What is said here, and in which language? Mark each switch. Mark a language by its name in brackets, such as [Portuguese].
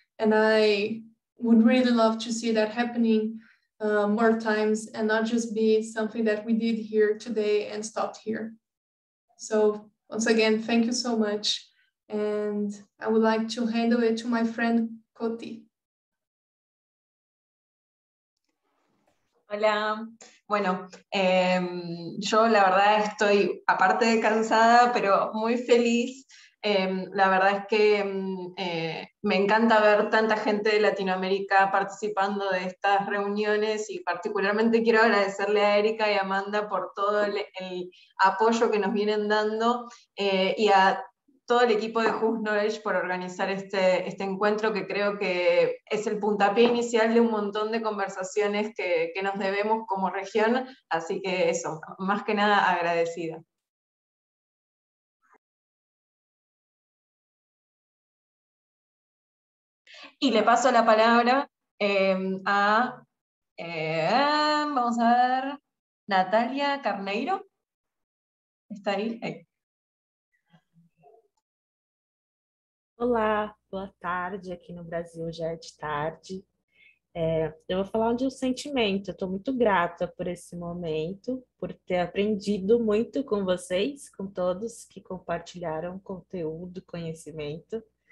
[English] And I would really love to see that happening more times and not just be something that we did here today and stopped here. So once again, thank you so much. And I would like to hand over to my friend Koti. [Spanish] Hola, bueno, yo la verdad estoy aparte de cansada, pero muy feliz. La verdad es que me encanta ver tanta gente de Latinoamérica participando de estas reuniones y particularmente quiero agradecerle a Erika y Amanda por todo el apoyo que nos vienen dando y a todo el equipo de Whose Knowledge por organizar este encuentro que creo que es el puntapié inicial de un montón de conversaciones que nos debemos como región, así que eso, más que nada agradecida. Y le paso la palabra vamos a ver, Natalia Carneiro, está ahí, ahí. [Portuguese] Olá, boa tarde, aqui no Brasil já é de tarde. Eu vou falar de um sentimento, eu estou muito grata por esse momento, por ter aprendido muito com vocês, com todos que compartilharam conteúdo, conhecimento.